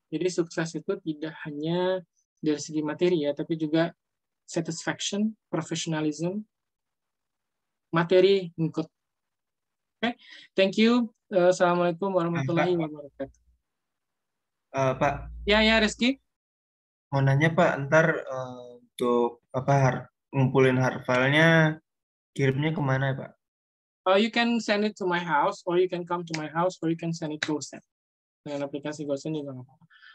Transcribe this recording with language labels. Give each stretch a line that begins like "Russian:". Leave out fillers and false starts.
Indonesian: Jadi sukses itu tidak hanya dari segi materi ya, tapi juga satisfaction, professionalism, materi ngikut.
English: Okay, thank you. Assalamualaikum warahmatullahi wabarakatuh.
Indonesian: Pak. Ya, Rizky. Mau nanya Pak, ntar untuk apa ngumpulin hard filenya kirimnya kemana ya Pak?
English: You can send it to my house, or you can come to my house, or you can send it to GoSend.
Indonesian: Dengan aplikasi GoSend juga nggak apa-apa.